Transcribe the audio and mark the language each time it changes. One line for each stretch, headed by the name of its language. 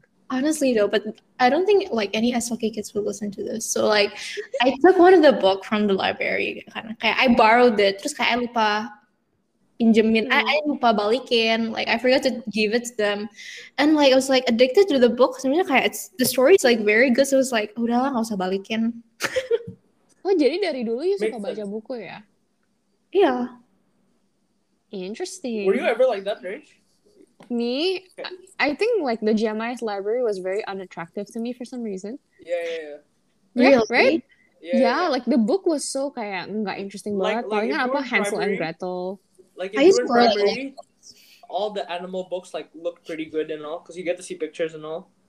English: Honestly though, but I don't think like any SLK kids would listen to this. So like I took one of the book from the library. I borrowed it.
Indonesian: Terus kayak lupa pinjemin.
English: I
Indonesian: lupa balikin.
English: Like I forgot to give it to them. And like I was like addicted to the book.
Indonesian: Sebenarnya kayak
English: it's the story is like very good. So I was like,
Indonesian: udahlah gak usah balikin. Oh, jadi dari dulu ya suka baca buku ya?
English: Yeah. Interesting. Were you ever like that, Rach? Me, I think like the GMI's library was very unattractive to me for some reason. Yeah. Right? Yeah, like the book was so
Indonesian: kayak nggak
English: interesting banget. Like,
Indonesian: paling apa
English: Hansel and Gretel. Like in your library, all the animal books like look pretty good and all because you get to see pictures and all.